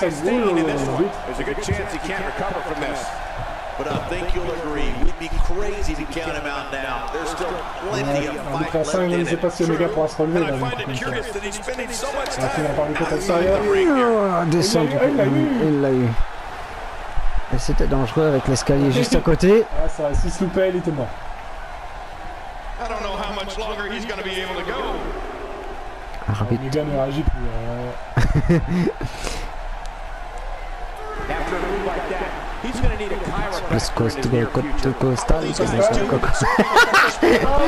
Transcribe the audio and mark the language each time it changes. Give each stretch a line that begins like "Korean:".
English: There's a good chance he can't recover from this. But I think you'll agree, we'd be crazy to count him out now. There's still plenty of fight left in it. True, and I find it curious that he's spending so much time. Now he's in the ring here.
French: Descend, il l'a eu. Et c'était dangereux avec l'escalier juste à côté. Ah, ça, s'il se loupait, il était mort.
English: I don't know how much longer he's going to be able to go.
French: Arbitre. Il ne réagit plus.
English: After a move like that, he's going to need a chiropractor in the near future. Please, he's going to